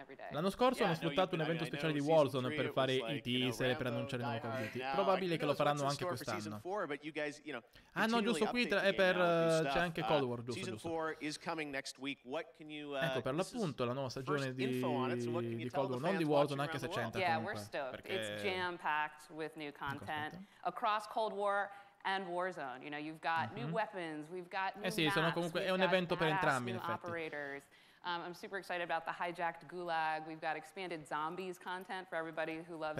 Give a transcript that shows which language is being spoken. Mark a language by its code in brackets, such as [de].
[it] L'anno scorso hanno sfruttato un evento speciale di Warzone per fare i teaser, per annunciare il nuovo Call of Duty. Probabile che lo faranno anche quest'anno. Ah no, giusto, qui è per c'è anche Cold War, giusto, ecco, per l'appunto la nuova stagione di Cold War, non di Warzone, anche se c'entra comunque, perché [en] it's jam-packed with new content across Cold War and Warzone. You know, you've got new weapons, we've got new [it] sì, sono comunque, è un evento per entrambi, in effetti. [en] I'm super excited about the hijacked gulag. We've got expanded zombies content for everybody who loves